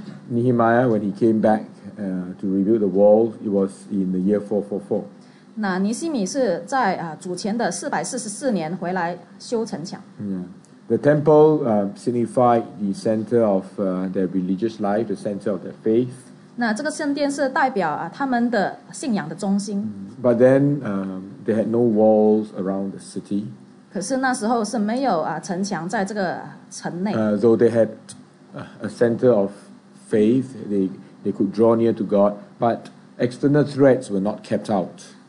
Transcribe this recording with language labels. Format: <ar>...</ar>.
<en>Nehemiah, when he came back to rebuild the wall, it was in the year 444.</en> <zh>那尼希米是在主前的444年回来修城墙。</zh> <en>The temple signified the center of their religious life, the center of their faith.</en> <zh>那这个圣殿是代表他们的信仰的中心。</zh> <en>But then they had no walls around the city.</en> <zh>可是那时候是没有城墙在这个城内。</zh> <en>Though they had a center of faith, they could draw near to God, but external threats were not kept out.</en>